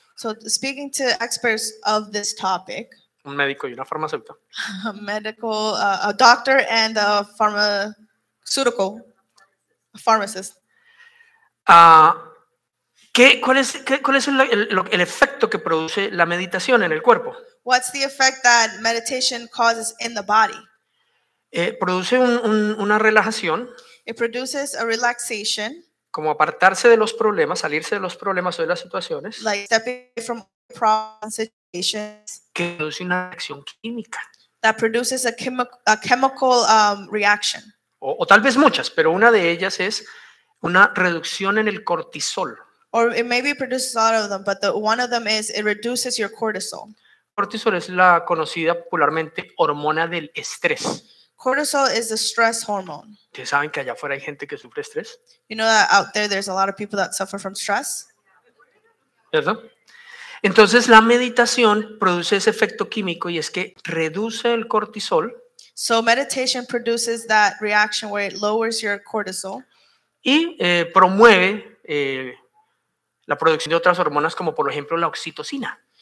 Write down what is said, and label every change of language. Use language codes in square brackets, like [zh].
[en] So speaking to experts of this topic. [es] Un médico y una farmacéutica. [en] A doctor and a pharmaceutical. A pharmacist. [es] ¿Cuál es el efecto que produce la meditación en el cuerpo? [en] What's the effect that meditation causes in the body? [es] Produce una relajación. [en] It produces a relaxation. [es] Como apartarse de los problemas, salirse de los problemas o de las situaciones. [en] Like stepping away from problems, situations. [es] Que produce una reacción química. [en] That produces a chemical reaction. [es] O tal vez muchas, pero una de ellas es una reducción en el cortisol. [en] Or it maybe produces a lot of them, but one of them is it reduces your cortisol. [es] Cortisol es la conocida popularmente hormona del estrés. [en] Cortisol is the stress hormone. [es] ¿Ustedes saben que allá afuera hay gente que sufre estrés? [en] You know that out there there's a lot of people that suffer from stress. [es] ¿Cierto? Entonces la meditación produce ese efecto químico y es que reduce el cortisol. [en] So meditation produces that reaction where it lowers your cortisol. [es] Y promueve la producción de otras hormonas como por ejemplo la oxitocina.